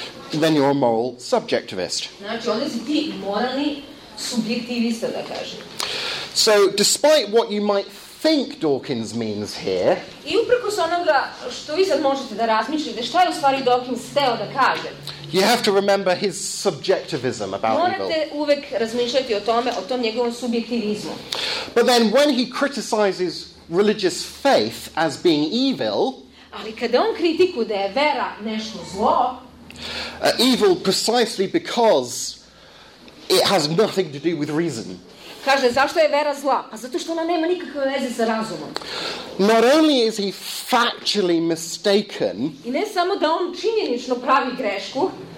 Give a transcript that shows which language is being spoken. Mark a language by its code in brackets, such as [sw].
[en] then you're a moral subjectivist. [sr] Znači, onda si ti moralni subjektivista, da kažem. [en] So, despite what you might think Dawkins means here, [sr] I uprkos onoga što vi sad možete da razmišljate, šta je u stvari Dawkins hteo da kaže, [en] you have to remember his subjectivism about [sr] morate [en] evil. [sr] Morate uvek razmišljati o tom njegovom subjektivizmu. [en] But then, when he criticizes religious faith as being evil, [sr] ali kada on kritikuje da je vera nešto zlo, [en] evil precisely because it has nothing to do with reason. [sr] Kaže, zašto je vera zla? Pa zato što ona nema nikakve veze sa razumom. [en] Not only is he factually mistaken, [sr] I ne samo da on činjenično pravi grešku,